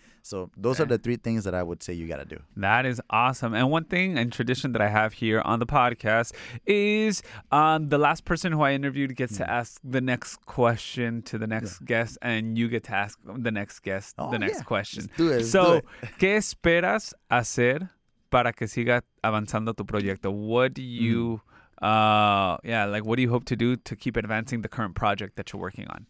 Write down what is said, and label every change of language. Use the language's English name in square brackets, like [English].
[English] So those are the three things that I would say you got to do. That is awesome. And one thing and tradition that I have here on the podcast is the last person who I interviewed gets to ask the next question to the next guest, and you get to ask the next guest the next question. Let's do it. [Spanish] So, ¿qué esperas hacer para que siga avanzando tu proyecto? [English] What do you what do you hope to do to keep advancing the current project that you're working on?